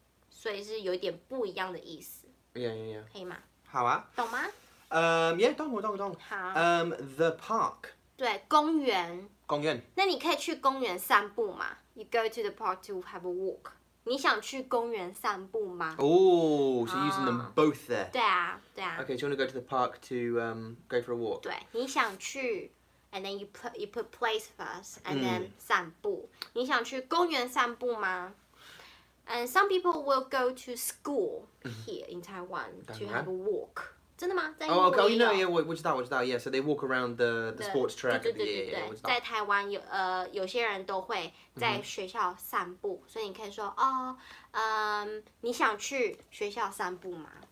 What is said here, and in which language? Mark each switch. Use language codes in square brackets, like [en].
[zh] 所以是有点不一样的意思。 [en] Yeah. [zh] 可以吗？好啊。懂吗？ Yeah, 懂。好。 [en] The park. [zh] 对，公园。公园。那你可以去公园散步吗？ [en] You go to the park to have a walk. [zh] 你想去公园散步吗? [en] Oh, so you're using them both there. [zh] 对啊,对啊。 [en] Okay, do you want to go to the park to go for a walk? 对, [zh] 你想去, [en] and then you put place first, and then 散步。 [zh] 你想去公园散步吗? [en] And some people will go to school here in Taiwan to have a walk. [zh] 真的吗？在英国也有。 [en] Oh, okay. Oh, you know, yeah, [zh] 我知道 [en] yeah. So they walk around the sports track. [zh] 对对对对对。 [en] Yeah, [zh] 在台湾有些人都会在学校散步，所以你可以说哦，你想去学校散步吗？